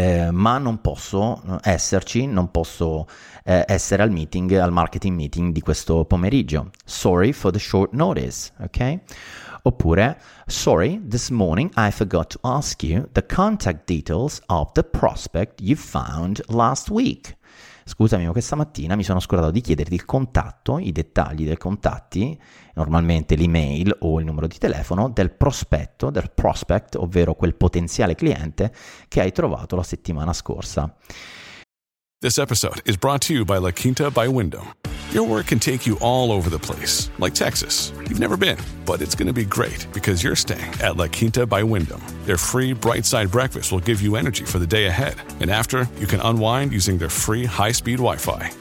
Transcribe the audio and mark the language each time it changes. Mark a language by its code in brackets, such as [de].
[it] Ma non posso esserci, non posso essere al meeting, al marketing meeting di questo pomeriggio. [en] Sorry for the short notice, ok? Oppure, sorry, this morning I forgot to ask you the contact details of the prospect you found last week. [it] Scusami, ma questa mattina mi sono scordato di chiederti il contatto, i dettagli dei contatti, normalmente l'email o il numero di telefono, del prospect, ovvero quel potenziale cliente che hai trovato la settimana scorsa. [en] This episode is brought to you by La Quinta by Wyndham. Your work can take you all over the place, like Texas. You've never been, but it's going to be great because you're staying at La Quinta by Wyndham. Their free bright side breakfast will give you energy for the day ahead. And after, you can unwind using their free high-speed Wi-Fi.